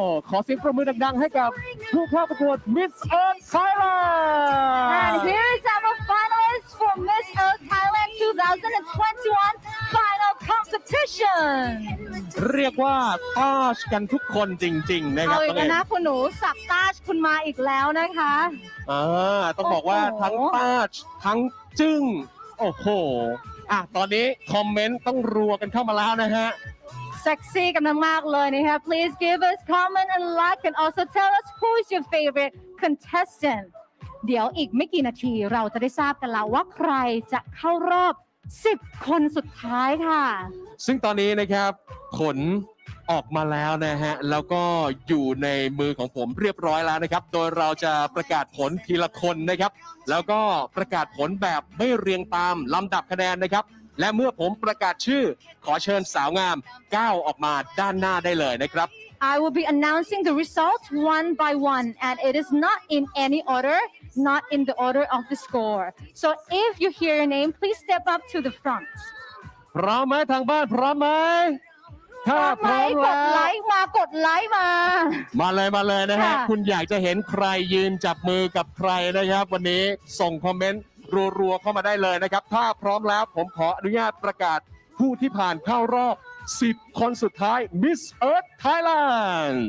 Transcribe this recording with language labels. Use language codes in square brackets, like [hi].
[th] ขอเสียงปรบมือดังๆให้กับผู้เข้าประกวด Miss Earth Thailand [en] And here is our finalists for Miss Earth Thailand 2021 final competition [th] เรียกว่าตาชกันทุกคนจริงๆนะครับ เอาอีกนะคุณหนูสักตาชคุณมาอีกแล้วนะคะ ต้องบอกว่าทั้งตาชทั้งจึ้งโอ้โหตอนนี้คอมเมนต์ต้องรัวกันเข้ามาแล้วนะฮะ Sexy กันมากเลยนะคะ [en] Please give us comment and like and also tell us who's your favorite contestant [th] เดี๋ยวอีกไม่กี่นาทีเราจะได้ทราบกันแล้วว่าใครจะเข้ารอบ10คนสุดท้ายค่ะ ซึ่งตอนนี้นะครับผล ออกมาแล้วนะฮะแล้วก็อยู่ในมือของผมเรียบร้อยแล้วนะครับโดยเราจะประกาศผลทีละคนนะครับแล้วก็ประกาศผลแบบไม่เรียงตามลำดับคะแนนนะครับและเมื่อผมประกาศชื่อขอเชิญสาวงามก้าวออกมาด้านหน้าได้เลยนะครับ [en] I will be announcing the results one by one and it is not in any order not in the order of the score so if you hear your name please step up to the front [th] พร้อมไหมทางบ้านพร้อมไหม ถ้าพร้อมกดไลค์มากดไลค์มาม าเลยมาเลยนะฮะคุณอยากจะเห็นใครยืนจับมือกับใครนะครับวันนี้ส่งคอมเมนต์รัวๆเข้ามาได้เลยนะครับถ้าพร้อมแล้วผมขออนุญาตประกาศผู้ที่ผ่านเข้ารอบ10คนสุดท้าย Miss Earth Thailand